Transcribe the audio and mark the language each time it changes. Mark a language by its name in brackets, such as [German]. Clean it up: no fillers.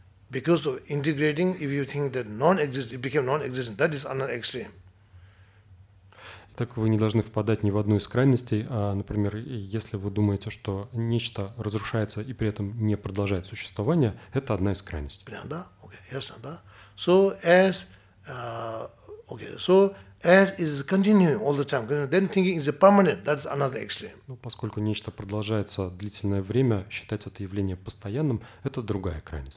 [English] Because of integrating, if you think that non-existent, it became non-existent, that is another extreme. [Russian] Так вы не должны впадать ни в одну из крайностей. Например, если вы думаете, что нечто разрушается и при этом не продолжает существование, это одна из крайностей. Понятно, да? [English] Okay, [Russian] ясно, да? [English] So as, as is continuing all the time, then thinking is permanent, that's another extreme. [Russian] Ну, поскольку нечто продолжается длительное время, считать это явление постоянным, это другая крайность.